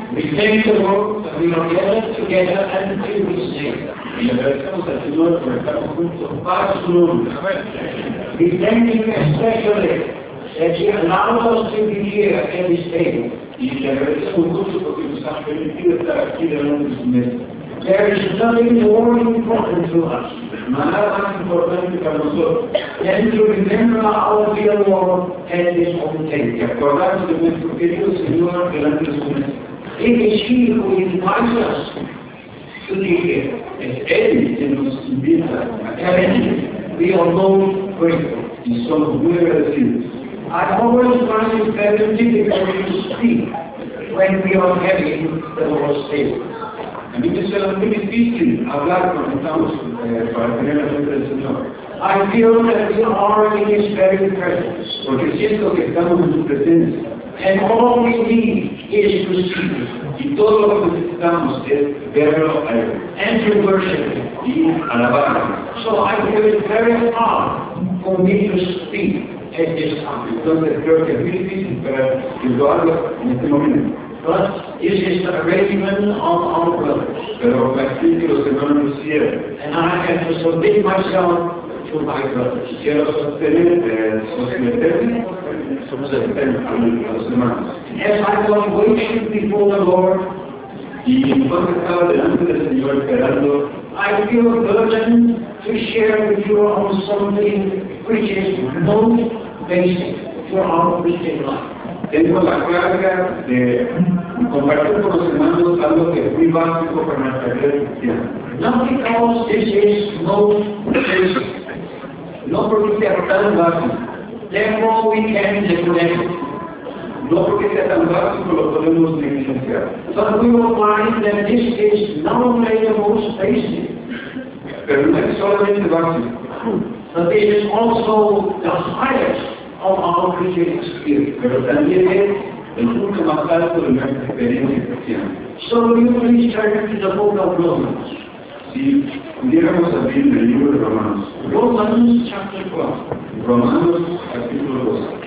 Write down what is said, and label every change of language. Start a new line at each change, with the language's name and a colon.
English: We thank the Lord that we are gathered together and to his name.
Spanish: Y agradecemos al Señor por estar juntos para su nombre.
English: We thank you especially that you allowed us to be here at this table.
Spanish: Y le agradecemos mucho porque nos ha permitido estar aquí delante de su mesa.
English: There is nothing more important to us,
Spanish: nada más importante para nosotros,
English: than to remember our dear Lord at this holy table.
Spanish: Acordarnos de nuestro querido Señor delante de su mesa.
English: It is He who invites us to be here.
Spanish: Es Él quien nos invita a estar aquí.
English: We are most grateful.
Spanish: Y somos muy agradecidos.
English: I always find it very difficult to speak when we are having the Lord's table.
Spanish: A mí me suena muy difícil hablar cuando estamos para tener la presencia del Señor.
English: I feel that we are in His very presence.
Spanish: Porque siento que estamos en su presencia.
English: And all we need is to see Him.
Spanish: Y todo lo que necesitamos es verlo a Él.
English: And to worship Him.
Spanish: Y alabarlo.
English: So I feel it very hard for me to speak at this time.
Spanish: Entonces creo que es muy difícil para que yo hable en este momento.
English: But it is the arrangement of our brothers.
Spanish: Pero los hermanos nos cierran.
English: And I have to submit myself to my brothers.
Spanish: Quiero someterme somos los hermanos.
English: As I was waiting before the Lord,
Spanish: y cuando estaba delante del Señor esperando,
English: I feel a burden to share with you on something which is most basic for our Christian life.
Spanish: Tengo la carga de compartir con los hermanos algo que es muy básico para nuestra fe cristiana.
English: Not because this is most basic.
Spanish: No porque sea tan básico.
English: Therefore we can neglect.
Spanish: No porque sea tan básico lo podemos negligenciar.
English: But we will find that this is not only the most basic.
Spanish: Pero no es solamente básico.
English: But this is also the highest of our Christian experience.
Spanish: Pero también es el punto más alto de nuestra experiencia cristiana.
English: So will you please turn to the book of Romans?
Spanish: Si pudiéramos abrir el libro de Romanos.
English: Romans chapter 12.
Spanish: Romanos capítulo 12.